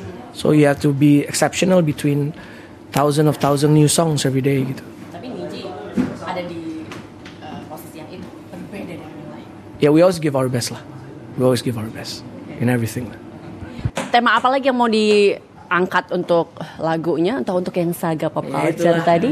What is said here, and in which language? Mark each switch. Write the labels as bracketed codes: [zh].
[en] So you have to be exceptional between thousand of thousand new songs every day gitu. [id] Tapi Niji ada di posisi yang itu berbeda dari yang lain. [en] Yeah, we always give our best lah. We always give our best in everything lah. [id] Tema apa lagi yang mau diangkat untuk lagunya atau untuk yang saga pop culture ya, itulah, tadi?